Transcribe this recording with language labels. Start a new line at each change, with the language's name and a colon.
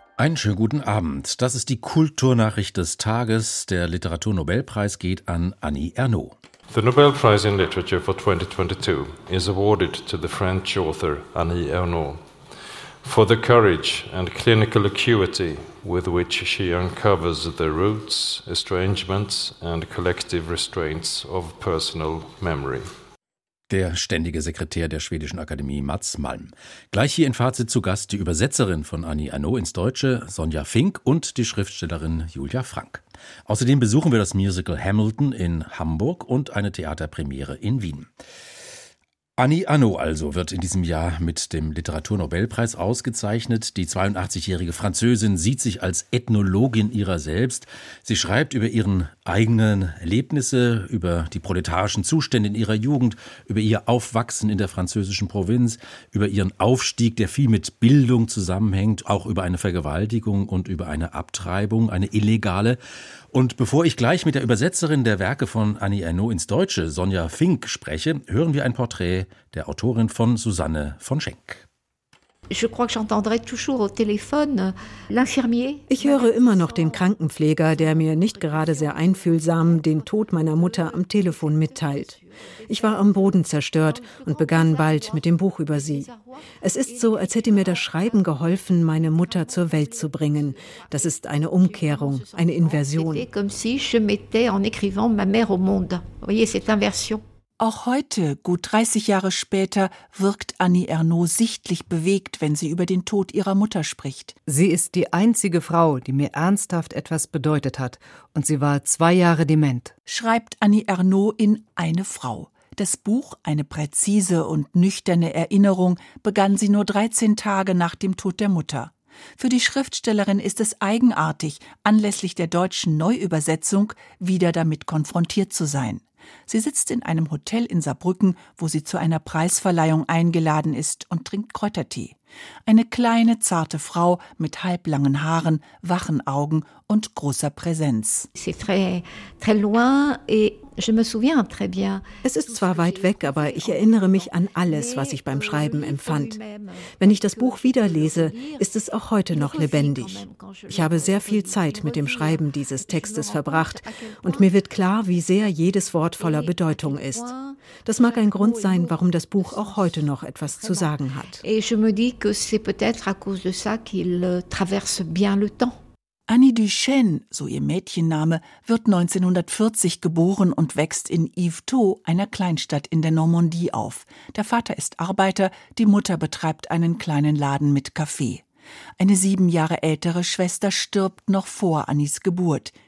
German: Einen schönen guten Abend. Das ist die Kulturnachricht des Tages. Der Literaturnobelpreis geht an Annie Ernaux.
English: The Nobel Prize in Literature for 2022 is awarded to the French author Annie Ernaux for the courage and clinical acuity with which she uncovers the roots, estrangements and collective restraints of personal memory.
German: Der ständige Sekretär der Schwedischen Akademie, Mats Malm. Gleich hier in Fazit zu Gast die Übersetzerin von Annie Ernaux ins Deutsche, Sonja Fink, und die Schriftstellerin Julia Frank. Außerdem besuchen wir das Musical Hamilton in Hamburg und eine Theaterpremiere in Wien. Annie Ernaux also wird in diesem Jahr mit dem Literaturnobelpreis ausgezeichnet. Die 82-jährige Französin sieht sich als Ethnologin ihrer selbst. Sie schreibt über ihren eigenen Erlebnisse, über die proletarischen Zustände in ihrer Jugend, über ihr Aufwachsen in der französischen Provinz, über ihren Aufstieg, der viel mit Bildung zusammenhängt, auch über eine Vergewaltigung und über eine Abtreibung, eine illegale. Und bevor ich gleich mit der Übersetzerin der Werke von Annie Ernaux ins Deutsche, Sonja Fink, spreche, hören wir ein Porträt der Autorin von Susanne von Schenk.
French: Je crois que j'entendrai toujours au téléphone l'infirmier.
German: Ich höre immer noch den Krankenpfleger, der mir nicht gerade sehr einfühlsam den Tod meiner Mutter am Telefon mitteilt. Ich war am Boden zerstört und begann bald mit dem Buch über sie. Es ist so, als hätte mir das Schreiben geholfen, meine Mutter zur Welt zu bringen. Das ist eine Umkehrung, eine Inversion.
French: C'était comme si je mettais en écrivant ma mère au monde. Vous voyez cette inversion.
German: Auch heute, gut 30 Jahre später, wirkt Annie Ernaux sichtlich bewegt, wenn sie über den Tod ihrer Mutter spricht. Sie ist die einzige Frau, die mir ernsthaft etwas bedeutet hat. Und sie war 2 Jahre dement, schreibt Annie Ernaux in Eine Frau. Das Buch, eine präzise und nüchterne Erinnerung, begann sie nur 13 Tage nach dem Tod der Mutter. Für die Schriftstellerin ist es eigenartig, anlässlich der deutschen Neuübersetzung wieder damit konfrontiert zu sein. Sie sitzt in einem Hotel in Saarbrücken, wo sie zu einer Preisverleihung eingeladen ist, und trinkt Kräutertee. Eine kleine, zarte Frau mit halblangen Haaren, wachen Augen und großer Präsenz.
French: C'est très, très loin et je me souviens très bien.
German: Es ist zwar weit weg, aber ich erinnere mich an alles, was ich beim Schreiben empfand. Wenn ich das Buch wieder lese, ist es auch heute noch lebendig. Ich habe sehr viel Zeit mit dem Schreiben dieses Textes verbracht und mir wird klar, wie sehr jedes Wort voller Bedeutung ist. Das mag ein Grund sein, warum das Buch auch heute noch etwas zu sagen hat.
French: Que c'est peut-être à cause de ça qu'il traverse bien le temps.
German: Annie Duchesne, so ihr Mädchenname, wird 1940 geboren und wächst in Yvetot, einer Kleinstadt in der Normandie, auf. Der Vater ist Arbeiter, die Mutter betreibt einen kleinen Laden mit Kaffee. Eine 7 Jahre ältere Schwester stirbt noch vor Annies Geburt.